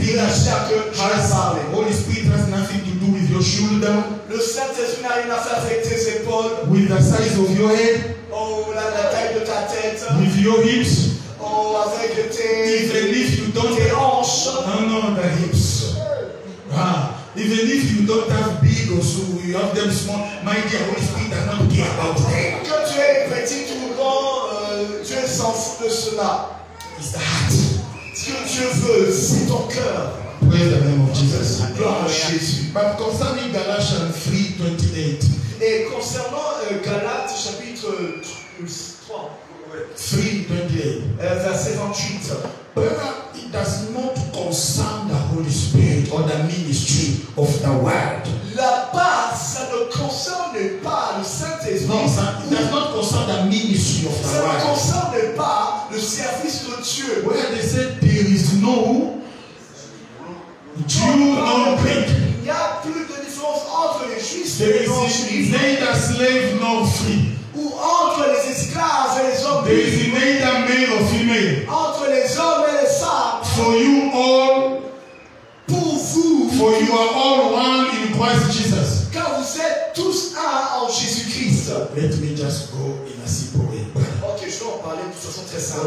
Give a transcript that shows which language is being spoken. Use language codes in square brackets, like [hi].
[en] Holy Spirit has nothing to do with your shoulder. [fr] Le Saint-Esprit n'a rien à faire avec tes épaules. [en] With the size of your head. [fr] Oh, la taille de ta tête. [en] With your hips. [fr] Oh, avec tes. [en] Even if you don't. [fr] Tes hanches. [en] No, the hips. Even if you don't have big or so, you have them small. My dear, Holy Spirit does not care about them. [fr] Quand tu es petit ou grand, tu es sans de cela. [en] It's the heart. [fr] Ce que Dieu veut, c'est ton cœur. [en] Praise the name of Jesus. [fr] Gloire à Jésus. [en] But concerning Galatians 3:28. [fr] Et concernant Galates chapitre 3. [en] 3:28. [fr] Verset 28. [en] Brother, it does not concern the Holy Spirit or the ministry of the word. [fr] Là-bas, ça ne concerne pas le Saint-Esprit. Non, ça, [en] it does not concern the ministry of the [fr] ça [en] word. [fr] Ça ne concerne pas le service de Dieu. [en] Where they said there is no Jew nor Greek. [fr] Il n'y a plus de différence entre les Juifs et les non-Juifs. [en] Neither slave nor free. [fr] Ou entre les esclaves et les hommes. [en] There is neither male or female. [fr] Entre les hommes et les femmes. [en] For you all. [fr] Pour vous. [en] For you are all one in Christ Jesus. [fr] Car vous êtes tous un en Jésus Christ. [en] Let me just go in a simple way. [fr] Ok, je dois en parler de toute façon très simple.